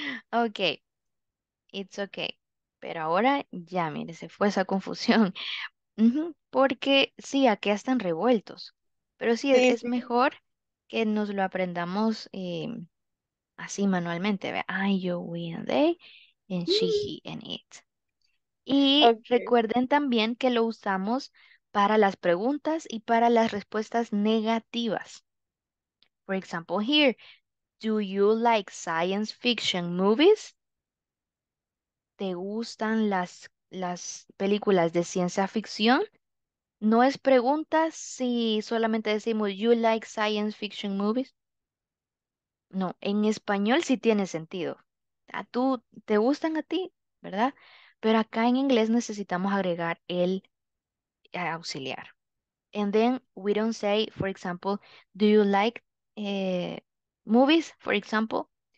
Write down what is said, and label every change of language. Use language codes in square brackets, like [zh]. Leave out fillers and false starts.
[en] Okay, it's okay. [es] Pero ahora ya, mire, se fue esa confusión. Porque sí, aquí están revueltos. Pero sí, sí, es mejor que nos lo aprendamos así manualmente. [en] I, you, we, and they, and she, he, and it. [es] Y recuerden también que lo usamos para las preguntas y para las respuestas negativas. [en] For example, here, do you like science fiction movies? [es] ¿Te gustan las películas de ciencia ficción? No es pregunta si solamente decimos, [en] you like science fiction movies. [es] No, en español sí tiene sentido. ¿A tú te gustan a ti? ¿Verdad? Pero acá en inglés necesitamos agregar el auxiliar. [en] And then we don't say, for example, do you like movies, for example?